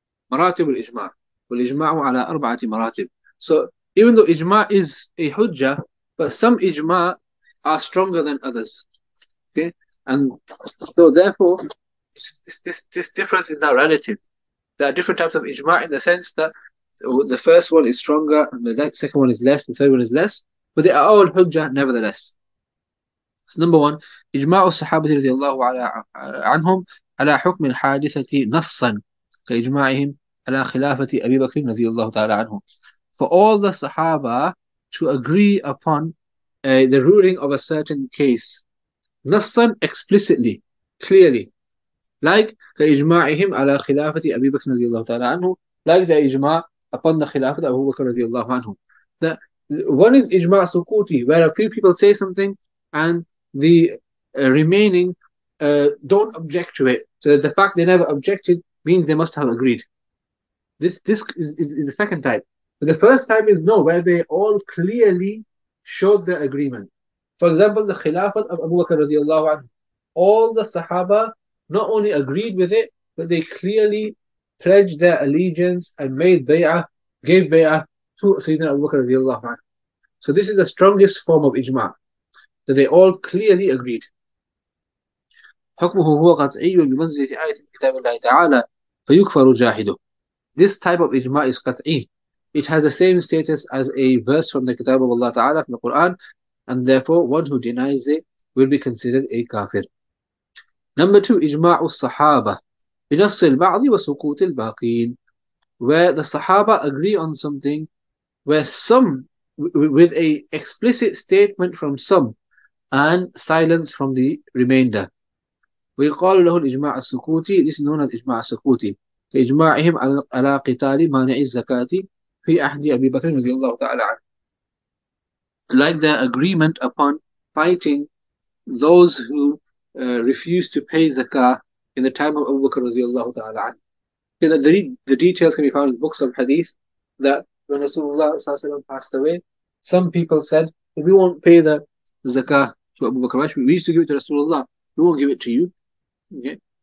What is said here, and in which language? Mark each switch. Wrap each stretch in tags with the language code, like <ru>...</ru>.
<ar>مراتب الإجماع والإجماع على أربعة مراتب.</ar> <en>So even though إجماع is a hujja, but some إجماع are stronger than others. Okay, and so therefore, it's this difference in that relative. There are different types of إجماع in the sense that The first one is stronger, and the second one is less, the third one is less, but they are all hujjah nevertheless.</en> <ar>So number one, إجماع الصحابة رضي الله عنهم على حكم الحادثة نصا كإجماعهم على خلافة أبي بكر رضي الله تعالى عنه.</ar> <en>For all the Sahaba to agree upon the ruling of a certain case, نصا explicitly, clearly, like</en> <ar>كإجماعهم على خلافة أبي بكر رضي الله تعالى عنه,</ar> <en>like the إجماع upon the خلافة أبو بكر رضي الله عنه. That one is إجماع سكوتي, where a few people say something and the remaining don't object to it. So that the fact they never objected means they must have agreed. This is the second type. But the first type is no, where they all clearly showed their agreement. For example, the Khilafat of Abu Bakr radiallahu anhu, all the Sahaba not only agreed with it, but they clearly pledged their allegiance and made bay'ah, gave bay'ah to Sayyidina Abu Bakr radiallahu anhu. So this is the strongest form of ijma', that they all clearly agreed.</en> <ar>حكمه هو قطعي بمنزلة آية كتاب الله تعالى فيكفر جاحده.</ar> <en>This type of ijma is qat'i. It has the same status as a verse from the Kitab of Allah Ta'ala, from the Quran, and therefore one who denies it will be considered a kafir. Number two, ijma'u sahaba,</en> <ar>بنص البعض وسكوت الباقين,</ar> <en>where the sahaba agree on something, where some, with a explicit statement from some, and silence from the remainder.</en> <ar>ويقال له الإجماع السكوتي,</ar> <en>this is known as</en> <ar>إجماع السكوتي. إجماعهم على قتال مانع الزكاة في عهد أبي بكر رضي الله تعالى عنه.</ar> <en>Like their agreement upon fighting those who refused to pay zakah in the time of Abu Bakr رضي الله تعالى عنه. Okay, the details can be found in books of hadith that when Rasulullah صلى الله عليه وسلم passed away, some people said, we won't pay the zakah to Abu Bakr, we used to give it to Rasulullah, we won't give it to you. Okay.</en>